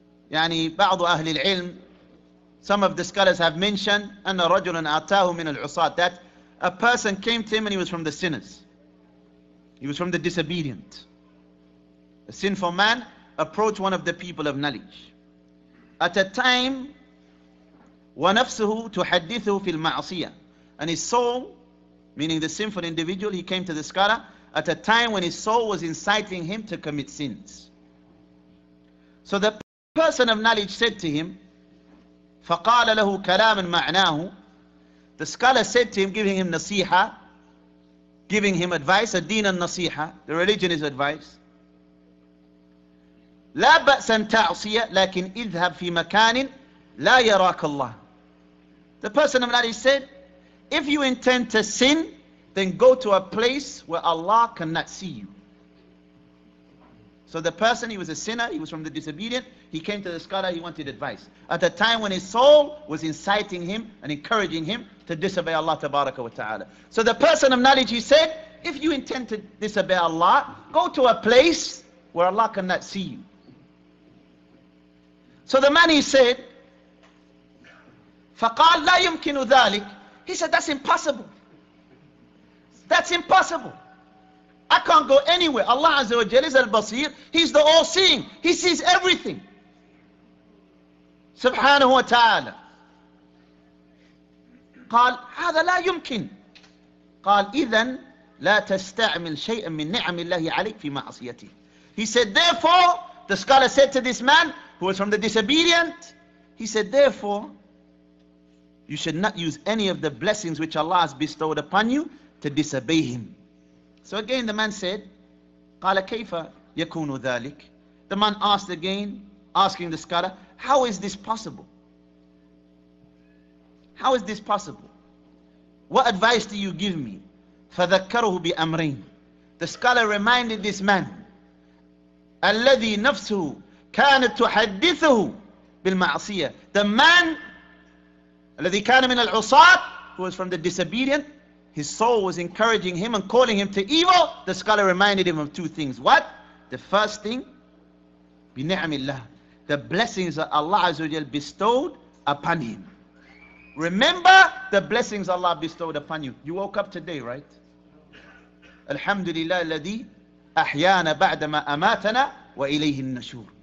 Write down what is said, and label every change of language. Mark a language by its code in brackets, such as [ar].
[ar] يعني بعض أهل العلم, [en] some of the scholars have mentioned [ar] أن رجلا أتاه من العصاة, [en] that a person came to him and he was from the sinners. He was from the disobedient. A sinful man approached one of the people of knowledge. At a time, [ar] ونفسه تحدثه في المعصية. [en] And his soul, meaning the sinful individual, he came to the scholar at a time when his soul was inciting him to commit sins. So the person of knowledge said to him, [ar] فقال له كلاما معناه. [en] The scholar said to him, giving him نصيحة, giving him advice, [ar] الدين النصيحة, [en] the religion is advice. [ar] لا بأس أن تعصي لكن اذهب في مكان لا يراك الله. [en] The person of knowledge said, if you intend to sin, then go to a place where Allah cannot see you. So the person, he was a sinner, he was from the disobedient, he came to the scholar, he wanted advice. At a time when his soul was inciting him and encouraging him to disobey Allah tabaraka wa ta'ala. So the person of knowledge, he said, if you intend to disobey Allah, go to a place where Allah cannot see you. So the man, he said, [ar] فقال لا يمكن ذلك. [en] He said, that's impossible. That's impossible. I can't go anywhere. Allah Azza wa Jalla is al-basir. He's the all-seeing. He sees everything. Subhanahu wa ta'ala. [ar] قال هذا لا يمكن. قال إذن لا تستعمل شيئا من نعم الله عليك في معصيته. [en] He said, therefore, the scholar said to this man who was from the disobedient, he said, therefore, you should not use any of the blessings which Allah has bestowed upon you to disobey Him. So again, the man said, [ar] قَالَ كَيْفَ يَكُونُ ذَلِكَ. [en] The man asked again, asking the scholar, how is this possible? How is this possible? What advice do you give me? [ar] فَذَكَّرُهُ بِأَمْرَيْنِ. [en] The scholar reminded this man, [ar] الَّذِي نَفْسُهُ كَانَ تُحَدِّثُهُ بِالْمَعْصِيَةِ. [en] The man, [ar] الَّذِي كَانَ مِنَ الْعُصَاتِ, [en] who was from the disobedient, his soul was encouraging him and calling him to evil. The scholar reminded him of two things. What? The first thing, [ar] بِنِعْمِ اللَّهِ, [en] the blessings that Allah Azza wa Jalla bestowed upon him. Remember the blessings Allah bestowed upon you. You woke up today, right? [ar] Alhamdulillah, الَّذِي أَحْيَانَ بَعْدَمَا أَمَاتَنَا وَإِلَيْهِ النَّشُورِ.